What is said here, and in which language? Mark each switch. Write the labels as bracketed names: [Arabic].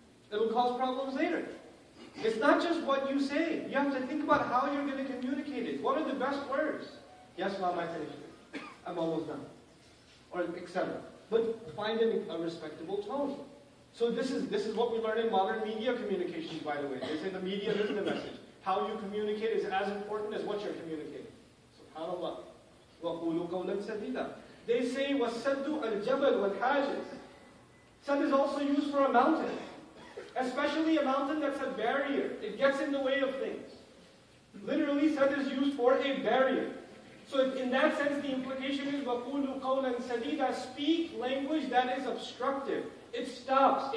[English] It'll cause problems later. It's not just what you say. You have to think about how you're going to communicate it. What are the best words? Yes, Mama, I said it. I'm almost done. Or etc. But find a respectable tone. So this is what we learn in modern media communications, by the way. They say the media is the message. How you communicate is as important as what you're communicating. [Arabic] SubhanAllah. وَقُولُوا قَوْلًا سَدِيدًا. [English] They say, [Arabic] وَسَدُّ الْجَبَلُ وَالْحَاجِزُ. [English] Sad is also used for a mountain. Especially a mountain that's a barrier. It gets in the way of things. Literally, sad is used for a barrier. So in that sense, the implication is, [Arabic] وَقُولُوا قَوْلًا سَدِيدًا. [English] Speak language that is obstructive. It stops.